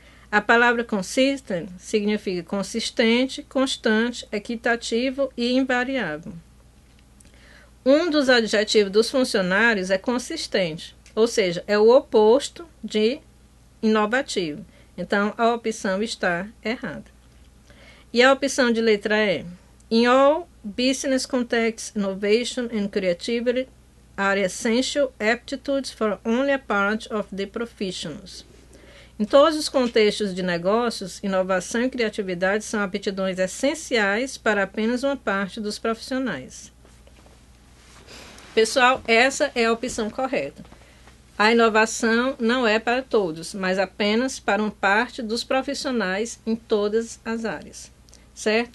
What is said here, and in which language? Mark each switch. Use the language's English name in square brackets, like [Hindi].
[Portuguese] A palavra consistent significa consistente, constante, equitativo e invariável. Um dos adjetivos dos funcionários é consistente, ou seja, é o oposto de inovativo. Então, a opção está errada. E a opção de letra E. [English] In all business contexts, innovation and creativity are essential aptitudes for only a part of the professionals. [Portuguese] Em todos os contextos de negócios, inovação e criatividade são aptidões essenciais para apenas uma parte dos profissionais. Pessoal, essa é a opção correta. A inovação não é para todos, mas apenas para uma parte dos profissionais em todas as áreas. Certo?